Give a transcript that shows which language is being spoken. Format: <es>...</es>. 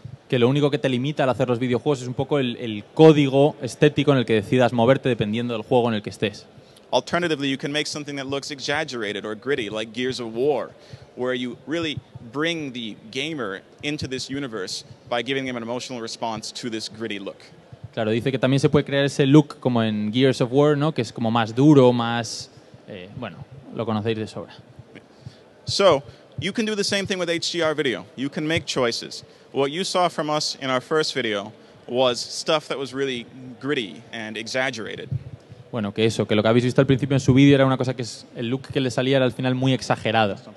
<es>Que lo único que te limita al hacer los videojuegos es un poco el código estético en el que decidas moverte dependiendo del juego en el que estés.</es> <en>Alternatively, you can make something that looks exaggerated or gritty, like Gears of War, where you really bring the gamer into this universe by giving them an emotional response to this gritty look.</en> <es>Claro, dice que también se puede crear ese look como en Gears of War, ¿no? Que es como más duro, más... bueno, lo conocéis de sobra.</es> <en>So, you can do the same thing with HDR video. You can make choices. What you saw from us in our first video was stuff that was really gritty and exaggerated.</en> <es>Bueno, que eso, que lo que habéis visto al principio en su vídeo era una cosa que es el look que le salía era al final muy exagerado.</es>